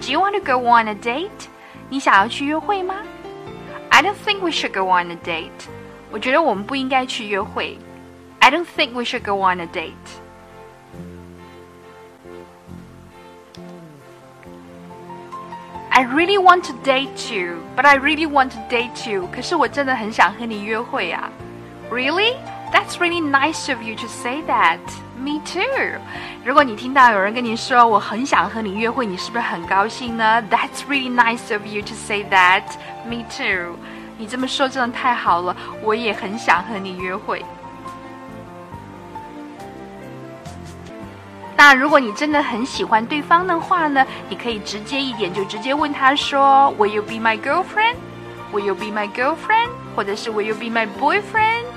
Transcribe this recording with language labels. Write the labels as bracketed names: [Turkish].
[English] Do you want to go on a date? [Chinese] 你想要去约会吗？ [English] I don't think we should go on a date. [Chinese] 我觉得我们不应该去约会。 [English] I don't think we should go on a date. I really want to date you, but I really want to date you. [Chinese] 可是我真的很想和你约会啊。 [English] Really? That's really nice of you to say that. Me too. [Chinese] 如果你听到有人跟你说我很想和你约会，你是不是很高兴呢？ [English] That's really nice of you to say that. Me too. [Chinese] 你这么说真的太好了，我也很想和你约会。那如果你真的很喜欢对方的话呢，你可以直接一点，就直接问他说 [English] Will you be my girlfriend? Will you be my girlfriend? [Chinese] 或者是 [English] Will you be my boyfriend?